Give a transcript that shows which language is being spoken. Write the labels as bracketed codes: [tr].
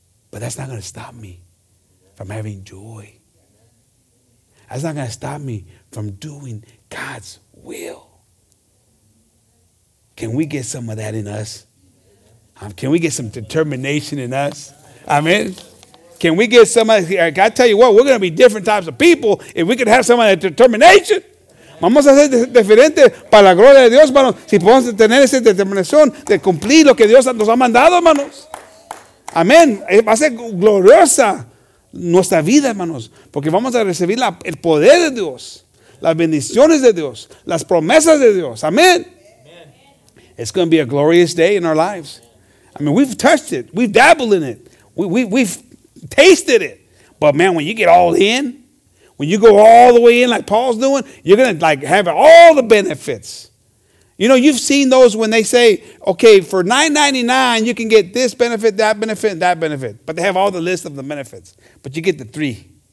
[en] But that's not going to stop me from having joy. That's not going to stop me from doing God's will. Can we get some of that in us? Can we get some determination in us? I mean, can we get some of that? I tell you what, we're going to be different types of people if we could have some of that determination. [es] Vamos a ser diferentes para la gloria de Dios, hermanos. Si podemos tener esa determinación de cumplir lo que Dios nos ha mandado, hermanos. Amén. Va a ser gloriosa nuestra vida, hermanos, porque vamos a recibir el poder de Dios, las bendiciones de Dios, las promesas de Dios. Amén. [en] It's going to be a glorious day in our lives. I mean, we've touched it. We've dabbled in it. We've tasted it. But man, when you get all in, when you go all the way in like Paul's doing, you're going to like have all the benefits. You know, you've seen those when they say, okay, for $9.99, you can get this benefit, that benefit, and that benefit. But they have all the list of the benefits. But you get the three.